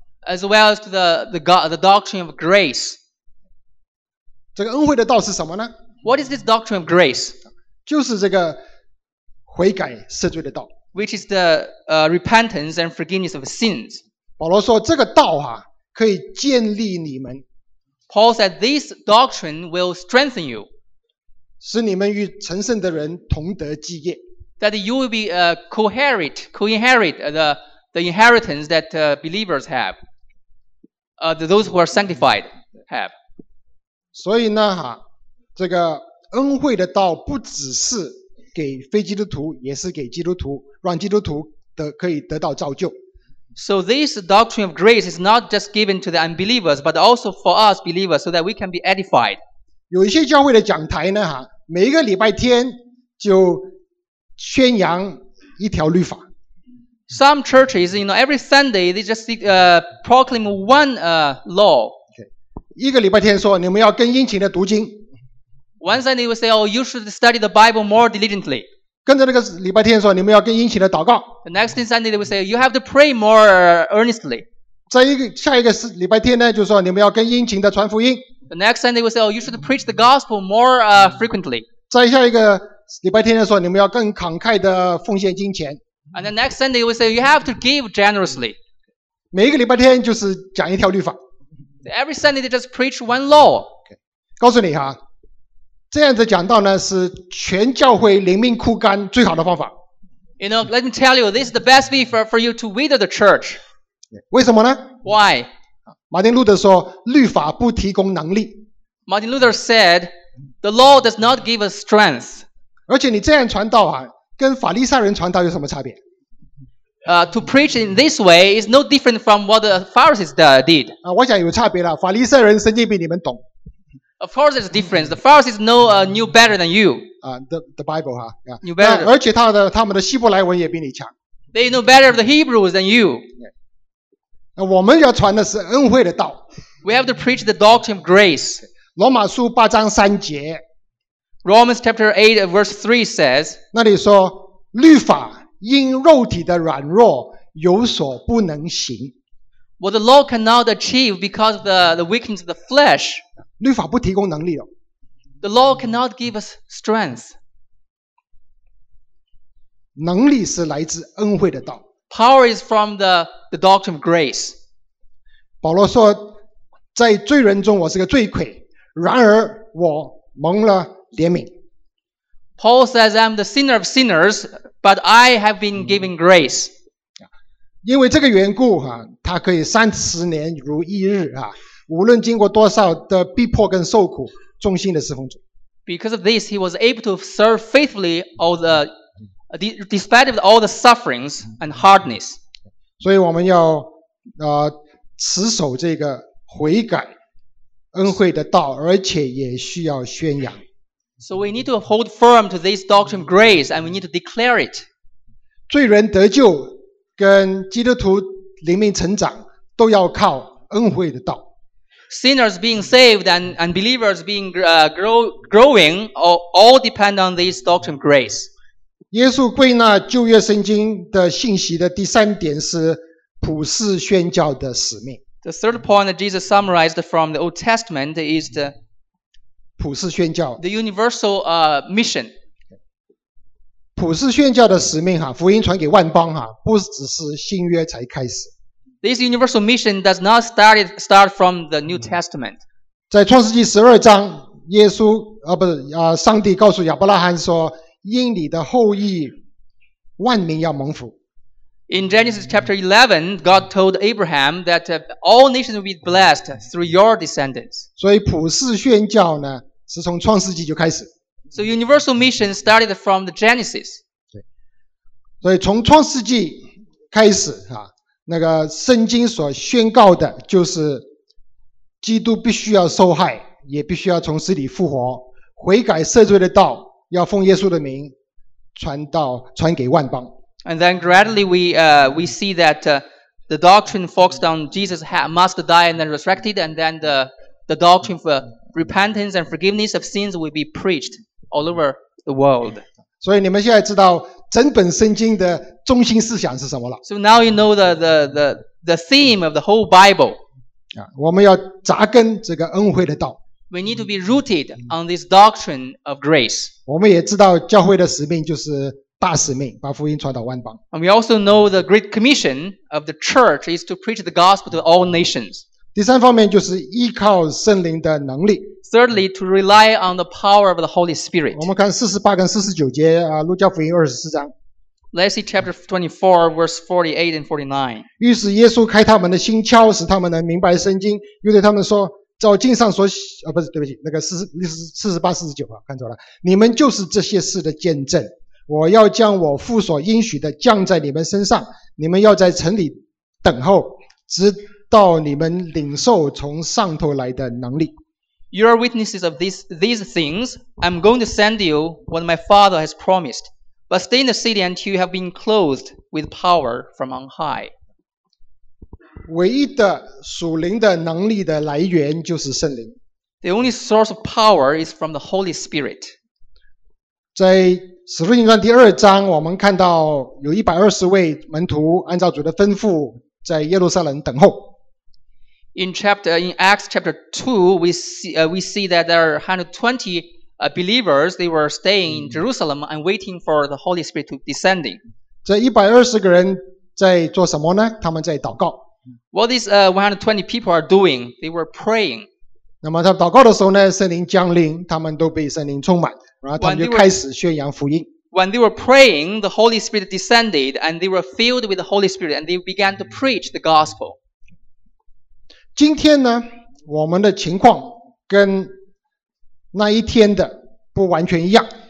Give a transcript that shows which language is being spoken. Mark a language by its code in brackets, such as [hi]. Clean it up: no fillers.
[en] As well as to the doctrine of grace. [zh] 这个恩惠的道是什么呢？ [en] What is this doctrine of grace? [zh] 就是这个悔改赦罪的道。 [en] Which is the repentance and forgiveness of sins. [zh] 保罗说这个道啊，可以建立你们。 [en] Paul said this doctrine will strengthen you. [zh] 使你们与成圣的人同得基业。 [en] That you will be co-inherit the inheritance that believers have. Those who are sanctified have. [zh] 所以呢哈，这个恩惠的道不只是给非基督徒，也是给基督徒，让基督徒可以得到造就。 [en] So this doctrine of grace is not just given to the unbelievers, but also for us believers, so that we can be edified. [zh] 有一些教会的讲台呢，每一个礼拜天就宣扬一条律法。 [en] Some churches, you know, every Sunday they just proclaim one law. Okay. [zh] 一个礼拜天说你们要更殷勤的读经。 [en] One Sunday will say, oh, you should study the Bible more diligently. [zh] 跟着那个礼拜天说你们要更殷勤的祷告。 [en] The next Sunday they will say, you have to pray more earnestly. [zh] 在一个下一个礼拜天呢就说你们要更殷勤的传福音。 [en] The next Sunday will say, oh, you should preach the gospel more frequently. [zh] 在下一个礼拜天的时候你们要更慷慨的奉献金钱。 [en] And the next Sunday will say, you have to give generously. [zh] 每一个礼拜天就是讲一条律法。 [en] Every Sunday they just preach one law. [zh] Okay. 告诉你哈。这样的讲道呢是全教会灵命枯干最好的方法。 [en] You know, let me tell you, this is the best way for you to wither the church. [zh] 为什么呢 [en] ?Why? [zh] 马丁路德说律法不提供能力。 [en] Martin Luther said, the law does not give us strength. [zh] 而且你这样传道啊跟法利赛人传道有什么差别、 [en] To preach in this way is no different from what the Pharisees did.、 [zh] 我想有差别了法利赛人神经比你们懂。 [en] Of course, there's a difference. The Pharisees know knew better than you. The Bible, huh? Yeah. Knew better. [zh] 而且他们的希伯来文也比你强。 [en] They know better of the Hebrews than you. [zh] 那我们要传的是恩惠的道。 [en] We have to preach the doctrine of grace. [zh] 罗马书八章三节。 [en] Romans chapter 8 verse 3 says. [zh] 那里说，律法因肉体的软弱有所不能行。 [en] What the law cannot achieve because of the weakness of the flesh. [zh] 律法不提供能力了。 [en] The law cannot give us strength. [zh] 能力是来自恩惠的道。 [en] Power is from the doctrine of grace. [zh] 保罗说，在罪人中我是个罪魁，然而我蒙了怜悯。 [en] Paul says I'm the sinner of sinners, but I have been given grace. [zh] 因为这个缘故啊他可以30年如一日啊无论经过多少的逼迫跟受苦忠心的侍奉主。 [en] Because of this, he was able to serve faithfully all the, despite of all the sufferings and hardness. [zh] 所以我们要持守这个悔改恩惠的道而且也需要宣扬。 [en] So we need to hold firm to this doctrine of grace and we need to declare it. [zh] 罪人得救跟基督徒灵命成长都要靠恩惠的道。 [en] Sinners being saved and believers being growing all depend on this doctrine of grace. [zh] 耶稣归纳旧约圣经的信息的第三点是普世宣教的使命。 [en] The third point that Jesus summarized from the Old Testament is the [zh] 普世宣教。 [en] The universal mission. [zh] 普世宣教的使命哈，福音传给万邦哈，不只是新约才开始。 [en] This universal mission does not start from the New Testament. [zh] 在创世纪十二章，耶稣啊不是啊，上帝告诉亚伯拉罕说，因你的后裔，万民要蒙福。 [en] In Genesis chapter 11, God told Abraham that all nations will be blessed through your descendants. [zh] 所以普世宣教呢，是从创世纪就开始。 [en] So universal mission started from the Genesis. [zh] 对，所以从创世纪开始啊，那个圣经所宣告的就是，基督必须要受害，也必须要从死里复活，悔改赦罪的道要奉耶稣的名传给万邦。 [en] And then gradually we see that the doctrine focused on Jesus must die and then resurrected, and then the doctrine for repentance and forgiveness of sins will be preached. All over the world. [zh] 所以你们现在知道整本圣经的中心思想是什么了。 [en] So now you know the theme of the whole Bible. [zh] 我们要扎根这个恩惠的道。 [en] We need to be rooted on this doctrine of grace. [zh] 我们也知道教会的使命就是大使命，把福音传到万邦。 [en] And we also know the great commission of the church is to preach the gospel to all nations. [zh] 第三方面就是依靠圣灵的能力。 [en] Thirdly, to rely on the power of the Holy Spirit. [zh] 我们看48跟49节啊，路加福音24章。 [en] Let's see chapter 24, verse 48 and 49. [zh] 于是耶稣开他们的心窍，使他们能明白圣经，又对他们说：“照经上所写，不是，对不起，那个48、49啊，看错了。你们就是这些事的见证。我要将我父所应许的降在你们身上，你们要在城里等候，直。” 到你们领受从上头来的能力。 [en] You are witnesses of these things. I'm going to send you what my Father has promised. But stay in the city until you have been clothed with power from on high. [zh] 唯一的属灵的能力的来源就是圣灵。 [en] The only source of power is from the Holy Spirit. [zh] 在使徒行传第二章，我们看到有120位门徒按照主的吩咐在耶路撒冷等候。 [en] In Acts chapter 2, we see that there are 120 believers, they were staying in Jerusalem and waiting for the Holy Spirit to descending. [zh] 这120个人在做什么呢？他们在祷告。 [en] What these 120 people are doing? They were praying. [zh] 那么他祷告的时候呢，圣灵降临，他们都被圣灵充满，然后他们就开始宣扬福音。 [en] When they were praying, the Holy Spirit descended, and they were filled with the Holy Spirit, and they began to preach the gospel. [zh] 今天呢，我们的情况跟那一天的不完全一样。